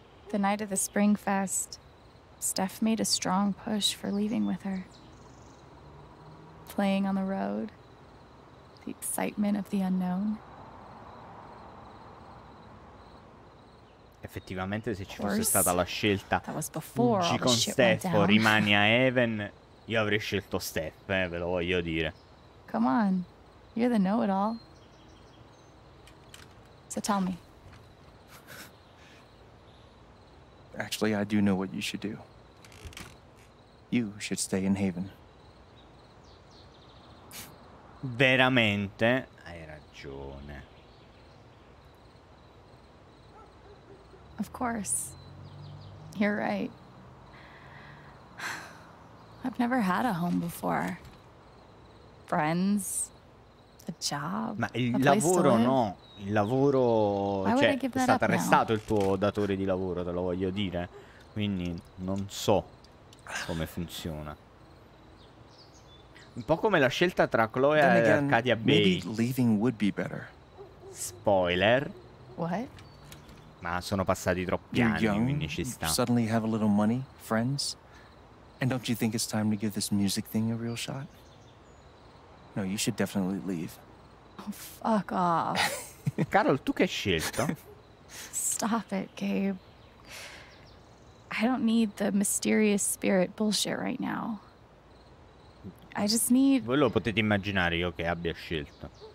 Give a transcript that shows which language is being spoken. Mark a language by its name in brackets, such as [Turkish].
[English] The night of the Spring Fest, Steph made a strong push for leaving with her. Playing on the road. The excitement of the unknown. [Italian] Effettivamente, se ci fosse stata la scelta, fuggi con Steph o rimani a Haven, io avrei scelto Steph, ve lo voglio dire. [English] Come on, you're the know-it-all. So tell me. Actually, I do know what you should do. You should stay in Haven. [Italian] Veramente? Hai ragione. [English] Of course. You're right. I've never had a home before. Friends, a job. [Italian] Ma il lavoro no. Il lavoro. Cioè, è stato arrestato il tuo datore di lavoro, te lo voglio dire. Quindi non so come funziona. Un po' come la scelta tra Chloe e Arcadia Bay. [English] Maybe leaving would be better. Spoiler. What? [Italian] Ma sono passati troppi anni, quindi ci sta. [English] Suddenly have a little money, friends, and don't you think it's time to give this music thing a real shot? No, you should definitely leave. Oh, fuck off. [Italian] Carol, tu che hai scelto? [English] Stop it, Gabe. I don't need the mysterious spirit bullshit right now. I just need... [Italian] Voi lo potete immaginare io che abbia scelto.